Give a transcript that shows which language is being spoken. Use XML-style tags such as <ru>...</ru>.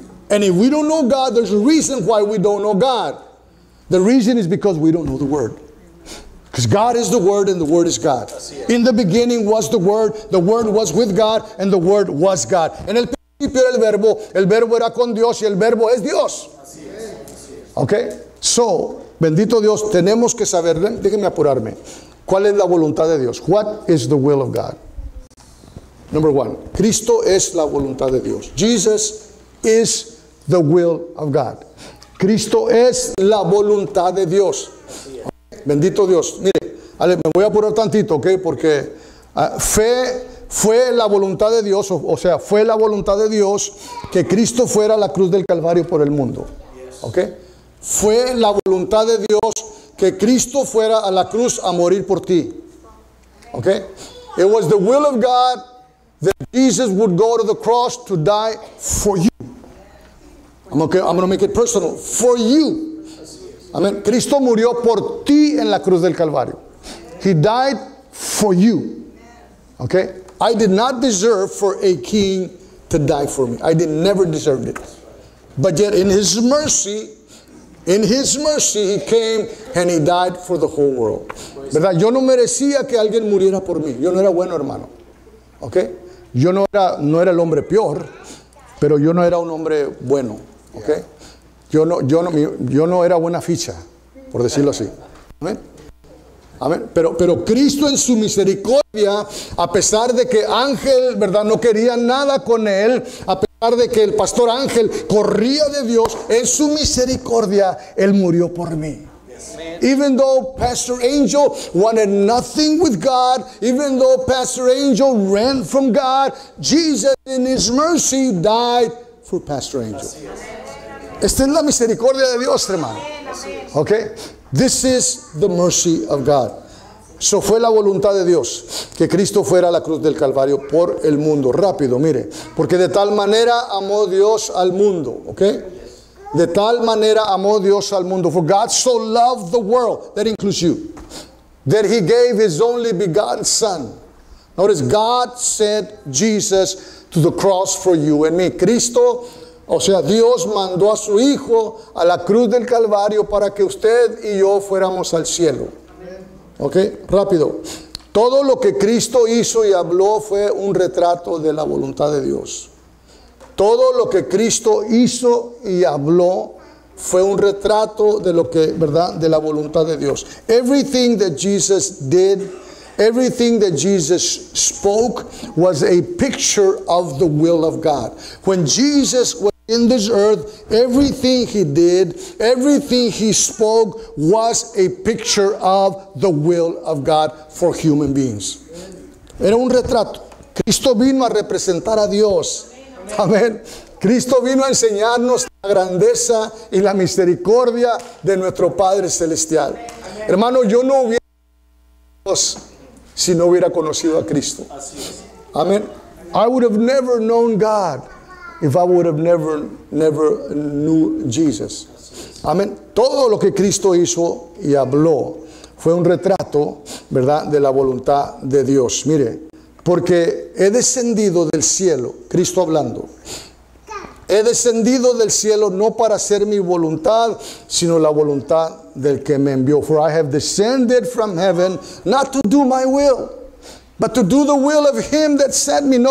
<en>And if we don't know God, there's a reason why we don't know God. The reason is because we don't know the Word. Because God is the Word and the Word is God. In the beginning was the Word was with God, and the Word was God.</en> <es>En el principio era el verbo era con Dios, y el verbo es Dios. Okay? So, bendito Dios, tenemos que saber, déjeme apurarme, ¿cuál es la voluntad de Dios?</es> <en>What is the will of God? Number one,</en> <es>Cristo es la voluntad de Dios.</es> <en>Jesus is the will of God.</en> <es>Cristo es la voluntad de Dios. Bendito Dios. Mire, Ale, me voy a apurar tantito, ¿ok? Porque fe fue la voluntad de Dios, o sea, fue la voluntad de Dios que Cristo fuera a la cruz del Calvario por el mundo. ¿Ok? Fue la voluntad de Dios que Cristo fuera a la cruz a morir por ti. ¿Ok?</es> <en>It was the will of God that Jesus would go to the cross to die for you. I'm going to make it personal. For you. Amen.</en> <es>Cristo murió por ti en la cruz del Calvario.</es> <en>He died for you. Okay? I did not deserve for a king to die for me. I did never deserved it. But yet in his mercy, he came and he died for the whole world.</en> <es>¿Verdad? Yo no merecía que alguien muriera por mí. Yo no era bueno, hermano. Okay? Yo no era el hombre peor, pero yo no era un hombre bueno, ¿ok? Yo no era buena ficha, por decirlo así. Amén. Amén. Pero Cristo en su misericordia, a pesar de que Ángel, ¿verdad?, no quería nada con él, a pesar de que el pastor Ángel corría de Dios, en su misericordia él murió por mí.</es> <en>Even though Pastor Angel wanted nothing with God, even though Pastor Angel ran from God, Jesus in his mercy died for Pastor Angel.</en> <es>Esta es la misericordia de Dios, hermano. Okay?</es> <en>This is the mercy of God.</en> <es>So fue la voluntad de Dios que Cristo fuera a la cruz del Calvario por el mundo. Rápido, mire. Porque de tal manera amó Dios al mundo. Okay? De tal manera amó Dios al mundo.</es> <en>For God so loved the world, that includes you, that he gave his only begotten son. Notice, God sent Jesus to the cross for you and me.</en> <es>Cristo, o sea, Dios mandó a su hijo a la cruz del Calvario para que usted y yo fuéramos al cielo. Ok, rápido. Todo lo que Cristo hizo y habló fue un retrato de la voluntad de Dios. Todo lo que Cristo hizo y habló fue un retrato de lo que, ¿verdad?, de la voluntad de Dios.</es> <en>Everything that Jesus did, everything that Jesus spoke was a picture of the will of God. When Jesus was in this earth, everything he did, everything he spoke was a picture of the will of God for human beings.</en> <es>Era un retrato. Cristo vino a representar a Dios. Amén. Cristo vino a enseñarnos la grandeza y la misericordia de nuestro Padre Celestial. Amén. Hermano, yo no hubiera si no hubiera conocido a Cristo. Amén.</es> <en>I would have never known God if I would have never knew Jesus.</en> <es>Amén. Todo lo que Cristo hizo y habló fue un retrato, ¿verdad?, de la voluntad de Dios. Mire, porque he descendido del cielo, Cristo hablando, he descendido del cielo no para hacer mi voluntad, sino la voluntad del que me envió.</es> <en>For I have descended from heaven, not to do my will, but to do the will of him that sent me.</en>